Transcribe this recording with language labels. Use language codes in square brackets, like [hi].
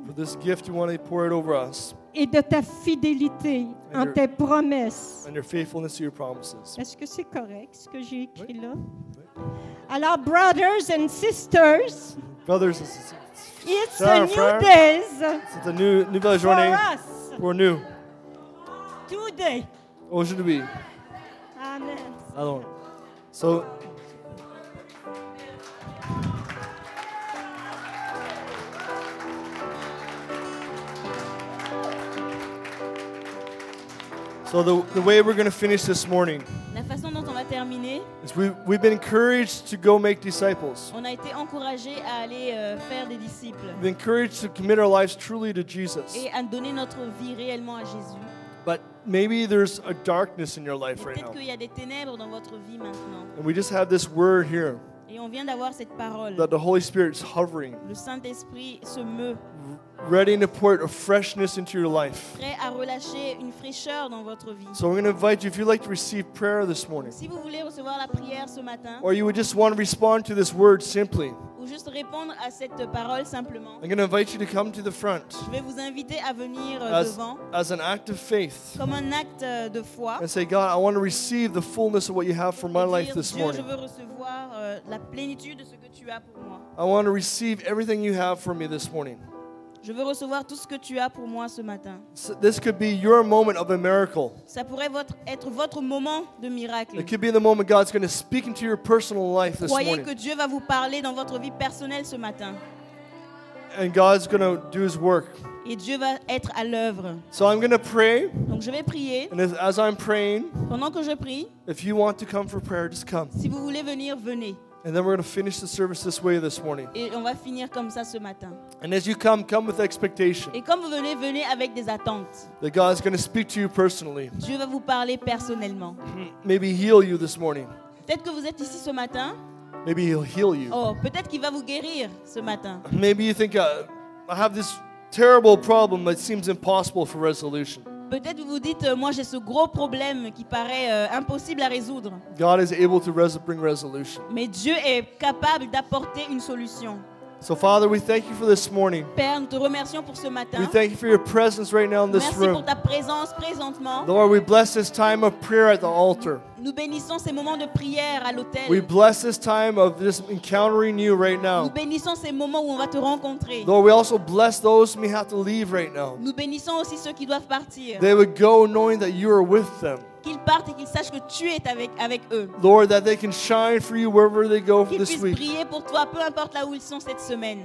[en] For this gift, you want to pour it over us. [fr] Et de ta fidélité en tes promesses. [en] And your faithfulness to your promises. [fr] Est-ce que c'est correct ce que j'ai écrit là? [en] Alors, brothers and sisters. Brothers and sisters. It's a new day. [fr] C'est une nouvelle journée. [en] For us. [fr] Pour nous. [en] Today. [fr] Aujourd'hui. [en] Amen. [fr] Alors, [en] So, the way we're going to finish this morning, [fr] la façon dont on va terminer, [en] is we've been encouraged to go make disciples. [fr] On a été encouragés à aller faire des disciples. [en] We've been encouraged to commit our lives truly to Jesus. [fr] Et à donner notre vie réellement à Jésus. [en] But maybe there's a darkness in your life right now. [fr] Peut-être qu'il y a des ténèbres dans votre vie maintenant. [en] And we just have this word here. [fr] Et on vient d'avoir cette parole. [en] That the Holy Spirit is hovering. [fr] Le Saint-Esprit se meut. [en] Ready to pour a freshness into your life. [fr] Prêt à relâcher une fraîcheur dans votre vie. [en] So we're going to invite you, if you'd like to receive prayer this morning. [fr] Si vous voulez recevoir la prière ce matin. [en] Or you would just want to respond to this word simply. [fr] Ou juste répondre à cette parole simplement. [en] I'm going to invite you to come to the front. [fr] Je vais vous inviter à venir devant. [en] As an act of faith. [fr] Comme un acte de foi. [en] And say, God, I want to receive the fullness of what you have for my life this morning. [fr] Je veux recevoir la plénitude de ce que tu as pour moi. [en] I want to receive everything you have for me this morning. [fr] Je veux recevoir tout ce que tu as pour moi ce matin. [en] So this could be your moment of a miracle. [fr] Ça pourrait être votre moment de miracle. [en] It could be the moment God's going to speak into your personal life this [fr] Croyez [en] morning. [fr] Que Dieu va vous parler dans votre vie personnelle ce matin. [en] And God's going to do his work. [fr] Et Dieu va être à l'œuvre. [en] So I'm going to pray. [fr] Donc je vais prier. [en] And as I'm praying, [fr] pendant que je prie, [en] if you want to come for prayer, just come. [fr] Si vous voulez venir, venez. [en] And then we're going to finish the service this way this morning. [fr] Et on va finir comme ça ce matin. [en] And as you come, come with expectation. [fr] Et comme vous venez, venez avec des attentes. [en] That God is going to speak to you personally. [fr] Dieu va vous parler personnellement. [en] Maybe heal you this morning. [fr] Peut-être que vous êtes ici ce matin. [en] Maybe he'll heal you. [fr] Oh, peut-être qu'il va vous guérir ce matin. [en] Maybe you think, I have this terrible problem that seems impossible for resolution. [fr] Peut-être vous vous dites, moi j'ai ce gros problème qui paraît impossible à résoudre. [en] God is able to bring resolution. [fr] Mais Dieu est capable d'apporter une solution. [en] So Father, we thank you for this morning. [fr] Père, nous te remercions pour ce matin. [en] We thank you for your presence right now in this [fr] Merci [en] room. [fr] Merci pour ta présence présentement. [en] Lord, we bless this time of prayer at the altar. [fr] Nous bénissons ces moments de prière à l'autel. [en] We bless this time of just encountering you right now. [fr] Nous bénissons ces moments où on va te rencontrer. [en] Lord, we also bless those who may have to leave right now. [fr] Nous bénissons aussi ceux qui doivent partir. [en] They would go knowing that you are with them. [fr] Qu'ils partent et qu'ils sachent que tu es avec eux. [en] Lord, that they can shine for you wherever they go for this week. [fr] Qu'ils puissent briller pour toi, peu importe là où ils sont cette semaine.